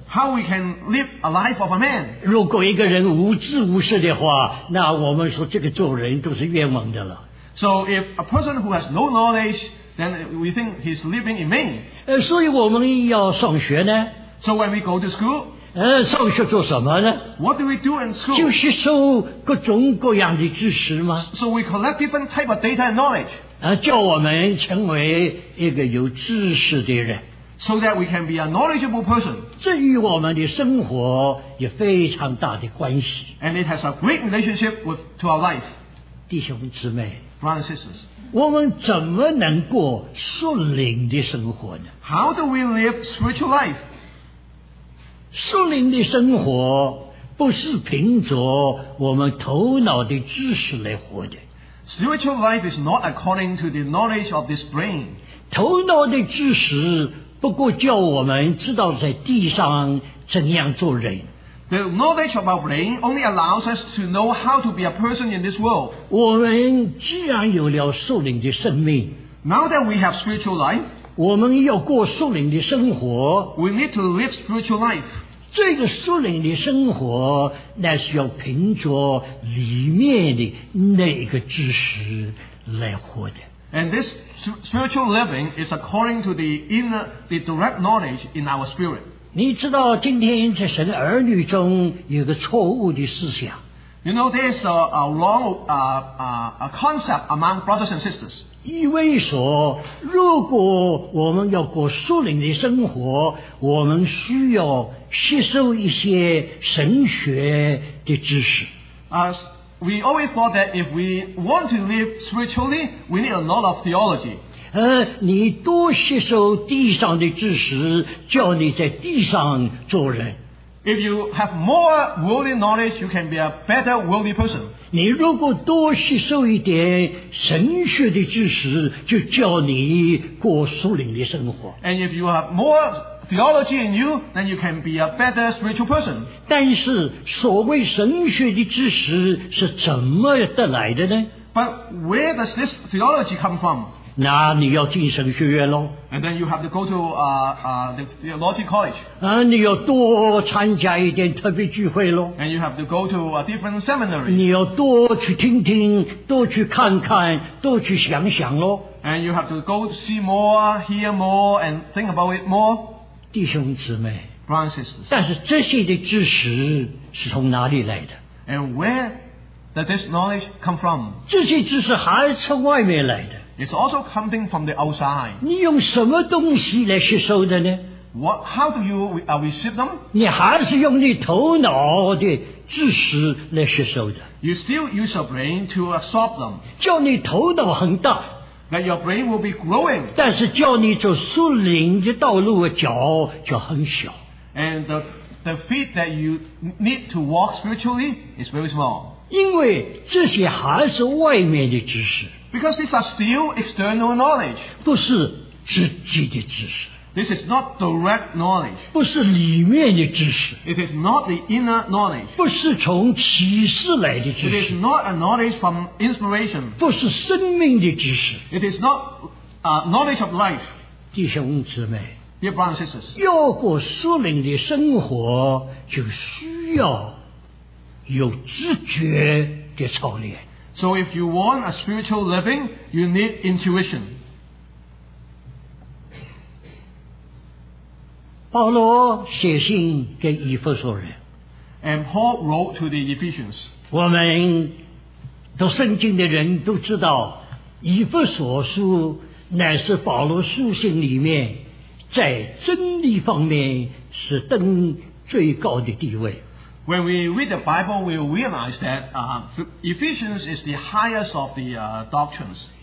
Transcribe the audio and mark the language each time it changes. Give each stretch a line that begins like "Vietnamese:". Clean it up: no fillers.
English: How we can live a life of a man.
Chinese: 如果一个人无知无识的话，那我们说这个做人都是冤枉的了。
English: So if a person who has no knowledge, then we think he's living in vain.
Chinese: 所以我们要上学呢。
English: So when we go to school,
Chinese: 上学做什么呢？
English: What do we do in school?
Chinese: 就吸收各种各样的知识吗？
English: So we collect different type of data and knowledge.
Chinese: 叫我们成为一个有知识的人。
English: So that we can be a knowledgeable person.
Chinese: 这与我们的生活有非常大的关系。
English: And it has a great relationship with, to our life.
Chinese: 弟兄姊妹。
English: Brothers and sisters.
Chinese: 我们怎么能过顺灵的生活呢？
English: How do we live spiritual life?
Chinese: 顺灵的生活不是凭着我们头脑的知识来活的。
English: Spiritual life is not according to the knowledge of this brain.
Chinese: 头脑的知识不过叫我们知道在地上怎样做人。
English: The knowledge of our brain only allows us to know how to be a person in this world.
Chinese: 我们既然有了属灵的生命，
English: Now that we have spiritual life,
Chinese: 我们要过属灵的生活，
English: We need to live spiritual life.
Chinese: 这个属灵的生活那是要凭着里面的那个知识来活的。
English: And this spiritual living is according to the inner, the direct knowledge in our spirit.
Chinese: 你知道今天在神儿女中有个错误的思想。
English: You know, there is a wrong a concept among brothers and sisters.
Chinese: 以为说，如果我们要过属灵的生活，我们需要吸收一些神学的知识。
English: We always thought that if we want to live spiritually, we need a lot of theology.
Chinese: 你多吸收地上的知识，叫你在地上做人。
English: If you have more worldly knowledge, you can be a better worldly person.
Chinese: 你如果多吸收一点神学的知识，就叫你过属灵的生活。
English: And if you have more theology in you, then you can be a better spiritual person.
Chinese: 但是所谓神学的知识是怎么得来的呢？
English: But where does this theology come from?
Chinese: 那你要进神学院咯。
English: And then you have to go to the theology college.
Chinese: 你要多参加一点特别聚会咯。
English: And you have to go to a different seminary.
Chinese: 你要多去听听，多去看看，多去想想咯。
English: And you have to go see more, hear more, and think about it more.
Chinese: 弟兄姊妹，
English: Francis,
Chinese: 但是这些的知识是从哪里来的？
English: And where does this knowledge come from?
Chinese: 这些知识还是从外面来的。
English: It's also coming from the outside.
Chinese: 你用什么东西来吸收的呢？
English: What, how do you receive them?
Chinese: 你还是用你头脑的知识来吸收的。
English: You still use your brain to absorb them.
Chinese: 叫你头脑很大。
English: That your brain will be growing.
Chinese: 但是叫你走树林的道路的脚就很小。
English: And the feet that you need to walk spiritually is very small.
Chinese: 因为这些还是外面的知识。
English: Because these are still external knowledge.
Chinese: 不是自己的知识。
English: This is not direct knowledge.
Chinese: 不是里面的知识。
English: It is not the inner knowledge.
Chinese: 不是从启示来的知识。
English: It is not a knowledge from inspiration.
Chinese: 不是生命的知识。
English: It is not a knowledge of life.
Chinese: 弟兄姊妹。
English: Dear brothers and sisters.
Chinese: 要过属灵的生活就需要有自觉的操练。
English: So if you want a spiritual living, you need intuition.
Chinese: 保罗写信给以弗所人。
English: And Paul wrote to the Ephesians.
Chinese: 我们读圣经的人都知道，以弗所书乃是保罗书信里面在真理方面是登最高的地位。
English: When we read the Bible, we realize that Ephesians is the highest of the doctrines.